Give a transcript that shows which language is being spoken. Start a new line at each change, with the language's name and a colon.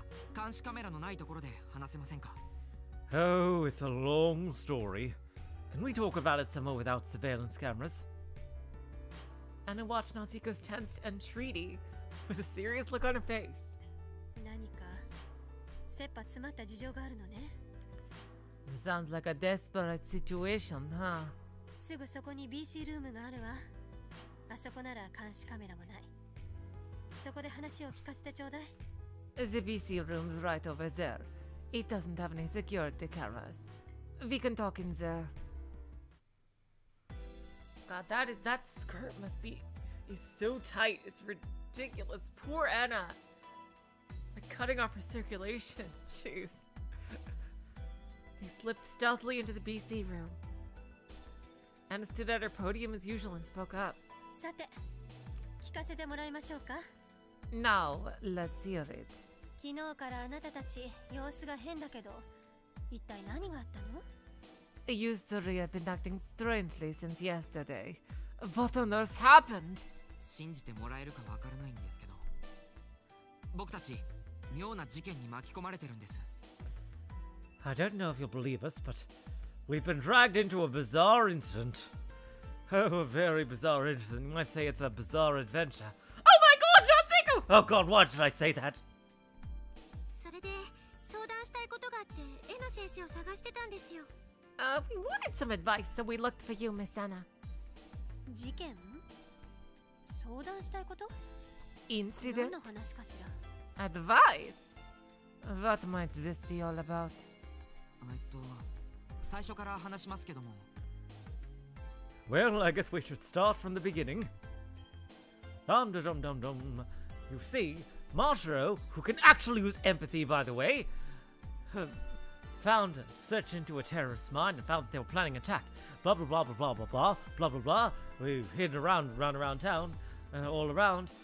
Japanese: 話せば長くなるんです。どこか監視カメラのないところで話せませんか?
English: Oh, it's a long story. Can we talk about it some more without surveillance cameras? Anna watched Natsuhiko's tense entreaty with a serious look on her face.
Japanese: 何か切羽詰まった事情があるのね?
English: Sounds like a desperate situation, huh? Is the BC room's right over there? It doesn't have any security cameras. We can talk in there. God, that skirt is so tight. It's ridiculous. Poor Anna. Like cutting off her circulation. Jeez. He slipped stealthily into the BC room. Anna stood at her podium as usual and spoke up.
Japanese: さて、聞かせてもらいましょうか?
English: Now, let's hear it.
Japanese: 昨日からあなたたち様子が変だけど、一体何があったの?
English: You three have been acting strangely since yesterday. What on earth happened?
Japanese: 信じてもらえるかわからないんですけど、僕たち妙な事件に巻き込まれてるんです。
English: I don't know if you'll believe us, but we've been dragged into a bizarre incident. Oh, a very bizarre incident. You might say it's a bizarre adventure. Oh my God, Natsuhiko! Oh God, why did I say that?
Japanese: それで相談したいことがあって、絵の先生を探してたんですよ。
English: We wanted some advice, so we looked for you, Miss Anna.
Japanese: 事件？相談したいこと？
English: Incident?
Japanese: 何の話かしら？
English: Advice? What might this be all about?
Japanese: 最初から話しますけども。
English: Well, I guess we should start from the beginning. Dum dum dum dum dum. You see, Mashiro, who can actually use empathy, by the way, found searched into a terrorist mine and found that they were planning an attack. Blah blah blah blah blah blah blah blah blah blah. We hid around town, all around.